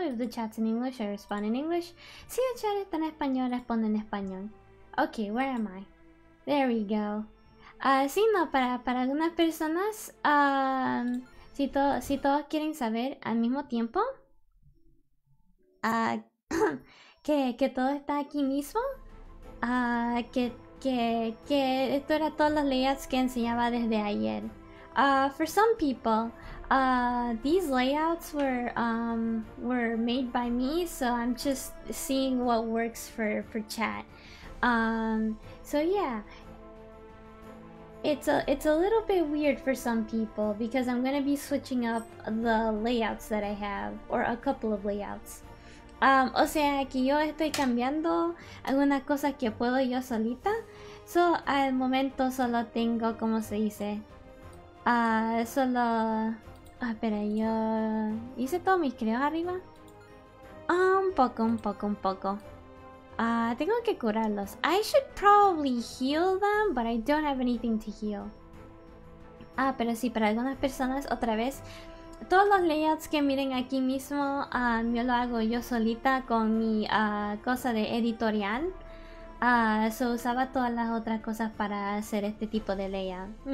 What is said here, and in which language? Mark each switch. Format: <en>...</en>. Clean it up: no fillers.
<en>If the chat's in English, I respond in English.</en> <es>Si el chat está en español, respondo en español.</es> <en>Ok, where am I? There we go.</en> <es>Sí, no, para algunas personas, si todos quieren saber al mismo tiempo que todo está aquí mismo, que esto era todos los layouts que enseñaba desde ayer.</es> <en>For some people, these layouts were made by me, so I'm just seeing what works for chat. So yeah. It's a little bit weird for some people because I'm gonna be switching up the layouts that I have, or a couple of layouts.</en> <es>O sea que yo estoy cambiando algunas cosas que puedo yo solita. So al momento solo tengo, ¿cómo se dice? Solo. Espera, yo. ¿Hice todos mis creos arriba? Un poco. Tengo que curarlos.</es> <en>I should probably heal them, but I don't have anything to heal.</en> <es>Ah, pero sí, para algunas personas, otra vez, todos los layouts que miren aquí mismo, yo lo hago yo solita con mi cosa de editorial. So usaba todas las otras cosas para hacer este tipo de layout.</es>